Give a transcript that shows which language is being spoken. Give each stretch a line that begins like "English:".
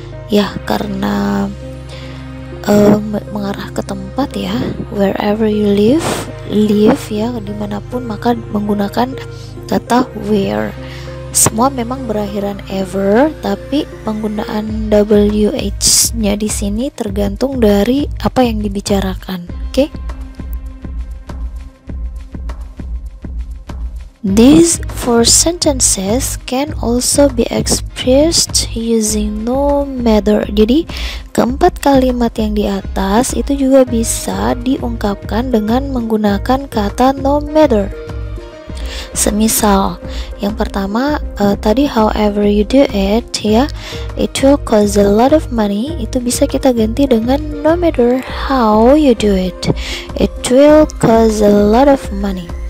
Indonesian: Ya, karena mengarah ke tempat ya,
English: wherever you live,
Indonesian: live ya dimanapun, maka menggunakan kata where. Semua memang berakhiran ever, tapi penggunaan wh-nya di sini tergantung dari apa yang dibicarakan. Oke?
English: These four sentences can also be expressed using no matter.
Indonesian: Jadi keempat kalimat yang di atas itu juga bisa diungkapkan dengan menggunakan kata no matter. Semisal, yang pertama tadi
English: however you do it, ya, it will cost a lot of money,
Indonesian: itu bisa kita ganti dengan
English: no matter how you do it, it will cost a lot of money.